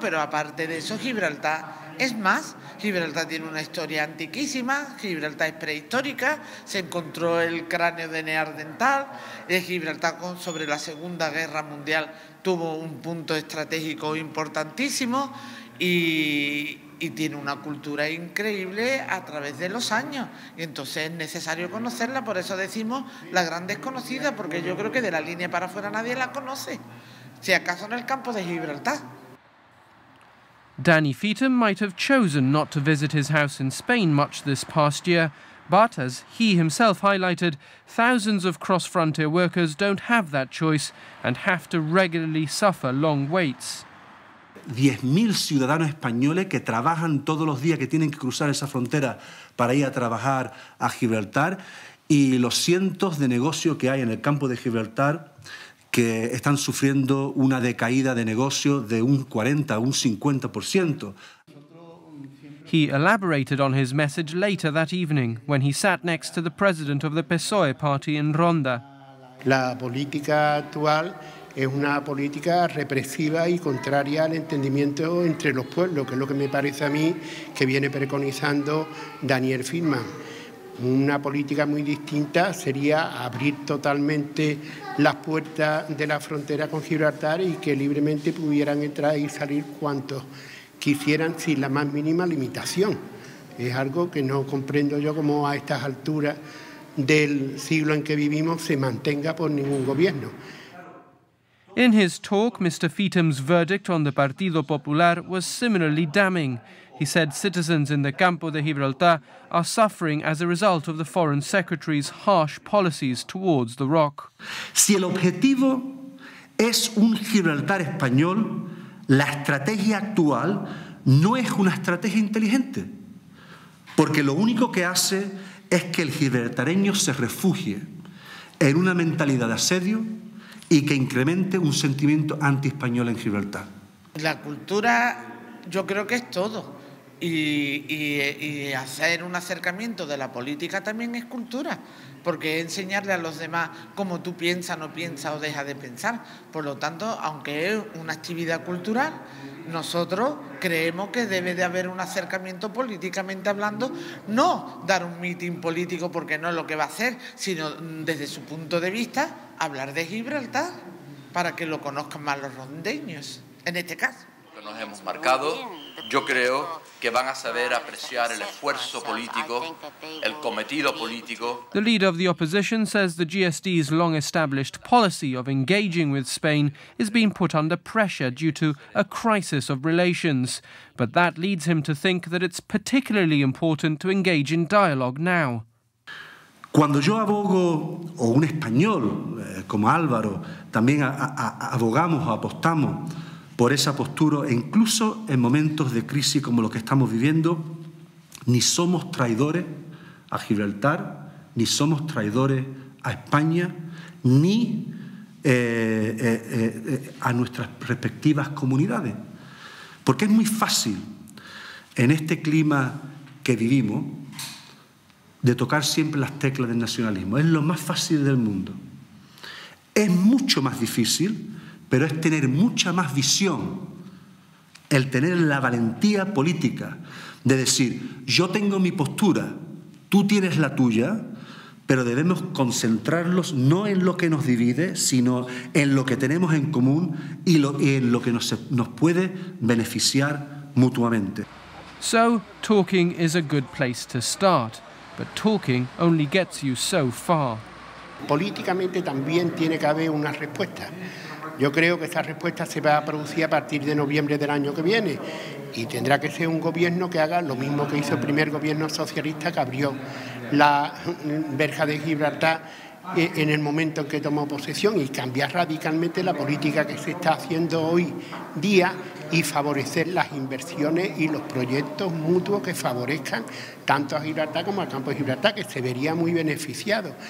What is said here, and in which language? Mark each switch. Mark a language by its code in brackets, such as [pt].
[es] Pero aparte de eso, Gibraltar es más. Gibraltar tiene una historia antiquísima, Gibraltar es prehistórica, se encontró el cráneo de Neandertal, Gibraltar sobre la Segunda Guerra Mundial tuvo un punto estratégico importantísimo y y tiene una cultura increíble a través de los años. Y entonces es necesario conocerla, por eso decimos la gran desconocida, porque yo creo que de la línea para afuera nadie la conoce, si acaso en el campo de Gibraltar. [en] Danny Feetham might have chosen not to visit his house in Spain much this past year, but as he himself highlighted, thousands of cross-frontier workers don't have that choice and have to regularly suffer long waits. [es] 10.000 ciudadanos españoles que trabajan todos los días, que tienen que cruzar esa frontera para ir a trabajar a Gibraltar, y los cientos de negocios que hay en el campo de Gibraltar que están sufriendo una decaída de negocio de un 40, un 50%. [en] He elaborated on his message later that evening when he sat next to the president of the PSOE party in Ronda. [es] La política actual es una política represiva y contraria al entendimiento entre los pueblos, que es lo que me parece a mí que viene preconizando Daniel Feetham. Una política muy distinta sería abrir totalmente las puertas de la frontera con Gibraltar y que libremente pudieran entrar y salir cuantos quisieran sin la más mínima limitación. Es algo que no comprendo yo cómo a estas alturas del siglo en que vivimos se mantenga por ningún gobierno. [en] In his talk, Mr. Feetham's verdict on the Partido Popular was similarly damning. He said citizens in the Campo de Gibraltar are suffering as a result of the Foreign Secretary's harsh policies towards the ROC. [es] Si el objetivo es un Gibraltar español, la estrategia actual no es una estrategia inteligente, porque lo único que hace es que el gibraltareño se refugie en una mentalidad de asedio y que incremente un sentimiento anti-español en Gibraltar. La cultura, yo creo que es todo. Y hacer un acercamiento de la política también es cultura, porque es enseñarle a los demás cómo tú piensas, no piensas o dejas de pensar. Por lo tanto, aunque es una actividad cultural, nosotros creemos que debe de haber un acercamiento políticamente hablando, no dar un mitin político porque no es lo que va a hacer, sino desde su punto de vista hablar de Gibraltar para que lo conozcan más los rondeños, en este caso. Que nos hemos marcado, yo creo que van a saber apreciar el esfuerzo político, el cometido político. [en] The leader of the opposition says the GSD's long-established policy of engaging with Spain is being put under pressure due to a crisis of relations. But that leads him to think that it's particularly important to engage in dialogue now. [es] Cuando yo abogo, o un español como Álvaro, también abogamos o apostamos por esa postura, incluso en momentos de crisis como los que estamos viviendo, ni somos traidores a Gibraltar, ni somos traidores a España, ni a nuestras respectivas comunidades. Porque es muy fácil, en este clima que vivimos, de tocar siempre las teclas del nacionalismo. Es lo más fácil del mundo. Es mucho más difícil, pero es tener mucha más visión, el tener la valentía política de decir, yo tengo mi postura, tú tienes la tuya, pero debemos concentrarlos no en lo que nos divide, sino en lo que tenemos en común y en lo que nos puede beneficiar mutuamente. [en] So, talking is a good place to start, but talking only gets you so far. [es] Políticamente también tiene que haber una respuesta. Yo creo que esa respuesta se va a producir a partir de noviembre del año que viene y tendrá que ser un gobierno que haga lo mismo que hizo el primer gobierno socialista que abrió la verja de Gibraltar en el momento en que tomó posesión y cambiar radicalmente la política que se está haciendo hoy día y favorecer las inversiones y los proyectos mutuos que favorezcan tanto a Gibraltar como al campo de Gibraltar, que se vería muy beneficiado.